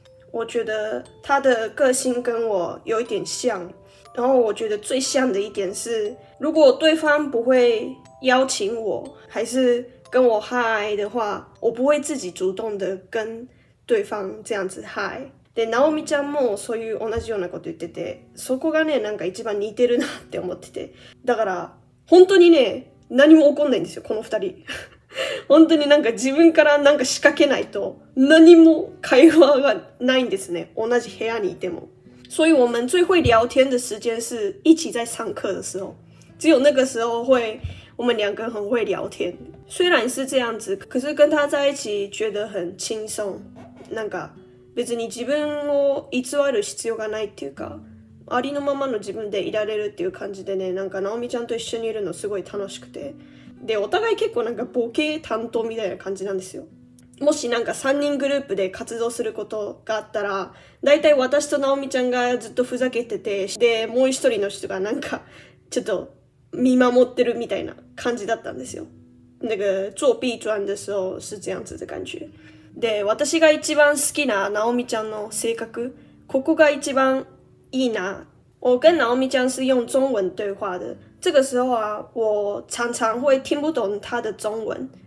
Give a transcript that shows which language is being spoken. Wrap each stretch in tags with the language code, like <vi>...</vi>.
<zh>我觉得他的个性跟我有一点像。然后我觉得最像的一点是，如果对方不会邀请我，还是跟我嗨的话，我不会自己主动的跟对方这样子嗨。</zh> <ja>で、ナオミちゃんもそういう同じようなこと言ってて、そこがね、なんか一番似てるなって思ってて。だから、本当にね、何も起こんないんですよ、この二人。本当になんか自分からなんか仕掛けないと、何も会話がないんですね、同じ部屋にいても。</ja> <zh>所以我们最会聊天的时间是一起在上课的时候，只有那个时候会我们两个很会聊天。虽然是这样子，可是跟他在一起觉得很轻松。</zh> <ja>なんか別に自分を偽る必要がないっていうか、ありのままの自分でいられるっていう感じでね、なんかナオミちゃんと一緒にいるのすごい楽しくて、でお互い結構なんかボケ担当みたいな感じなんですよ。もしなんか3人グループで活動することがあったら、だいたい私とナオミちゃんがずっとふざけてて、で、もう一人の人がなんか、ちょっと見守ってるみたいな感じだったんですよ。</ja> <zh>なんか、做 B 转的时候是这样子的感觉。</zh> <ja>で、私が一番好きなナオミちゃんの性格、ここが一番いいな。</ja> <zh>我跟ナオミちゃん是用中文对话的。这个时候啊、我常常会听不懂他的中文。</zh>